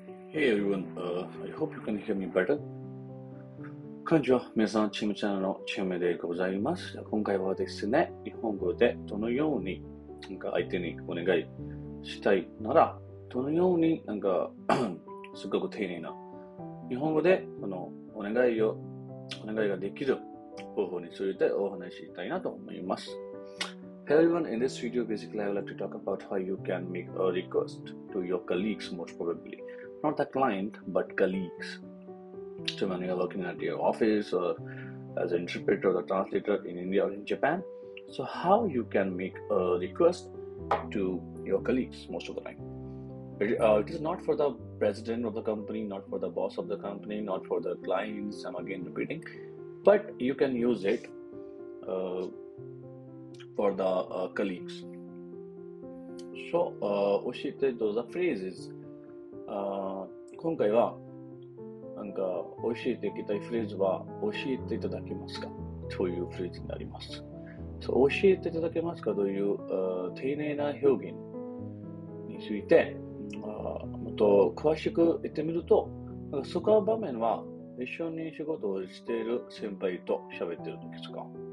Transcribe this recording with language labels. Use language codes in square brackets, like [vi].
[en] Hey everyone, I hope you can hear me better. [ja] こんにちは。皆さん、チームチャンネルのチームでございます。今回はですね、日本語でどのようになんか相手にお願いしたいなら、どのようになんかすごく丁寧な日本語でそのお願いができる方法についてお話ししたいなと思います。 [en] Hey everyone, in this video, basically I would like to talk about how you can make a request to your colleagues most probably. Not the client, but colleagues. So when you're working at your office or as an interpreter or a translator in India or in Japan, so how you can make a request to your colleagues most of the time. It is not for the president of the company, not for the boss of the company, not for the clients, I'm again repeating, but you can use it for the colleagues. So, 教えて those phrases. [ja] 今回はなんか教えていきたいフレーズは教えていただけますかというフレーズになります。そう、教えていただけますかという丁寧な表現についてもっと詳しく言ってみると、なんかそこの場面は一緒に仕事をしている先輩と喋っている時ですか、